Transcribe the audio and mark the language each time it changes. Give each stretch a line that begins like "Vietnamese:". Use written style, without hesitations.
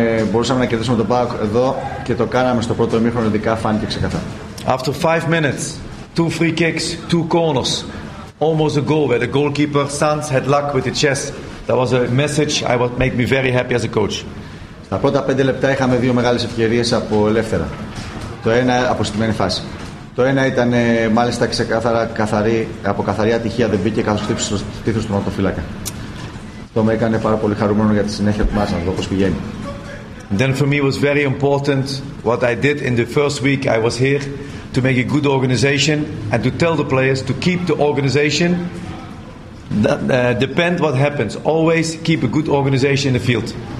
Greek: Μπορούσαμε να κερδίσουμε τον ΠΑΟΚ εδώ και το κάναμε στο πρώτο ημίχρονο, ειδικά φάνηκε ξεκάθαρα.
English: After 5 minutes, 2 free kicks, 2 corners, almost a goal where the goalkeeper Sanz had luck with the chest. That was a message that made me very happy as a coach.
Greek: Στα πρώτα 5 λεπτά είχαμε 2 μεγάλες ευκαιρίες από ελεύθερα. Το ένα από συγκεκριμένη φάση. Το ένα ήταν μάλιστα ξεκάθαρα από καθαρή ατυχία, δεν μπήκε καθώς χτύπησε στο στήθος του νοματοφύλακα. Αυτό με έκανε πάρα πολύ χαρούμενο για τη συνέχεια του μάτσα, όπως πηγαίνει.
English: Then for me was very important what I did in the first week I was here to make a good organization and to tell the players to keep the organization that, depend what happens, always keep a good organization in the field.